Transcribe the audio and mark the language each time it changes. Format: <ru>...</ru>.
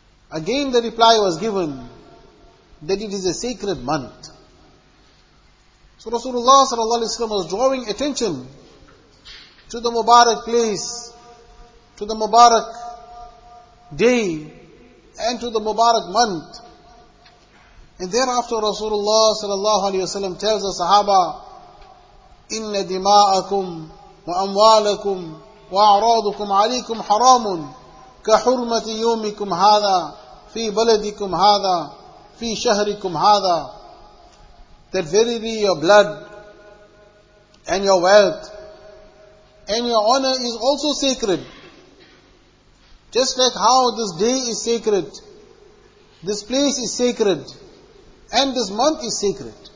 <en>Again the reply was given that it is a sacred month. So Rasulullah sallallahu alaihi wasallam was drawing attention to the Mubarak place, to the Mubarak day, and to the Mubarak month. And thereafter Rasulullah sallallahu alaihi wasallam tells the Sahaba,</en> <ar>إِنَّ دِمَاءَكُمْ وَأَمْوَالَكُمْ وَأَعْرَاضُكُمْ عَلَيْكُمْ حَرَامٌ كَحُرْمَةِ يَوْمِكُمْ هَذَا فِي بَلَدِكُمْ هَذَا فِي شَهْرِكُمْ هَذَا.</ar> <en>That verily your blood and your wealth and your honor is also sacred. Just like how this day is sacred, this place is sacred, and this month is sacred.</en>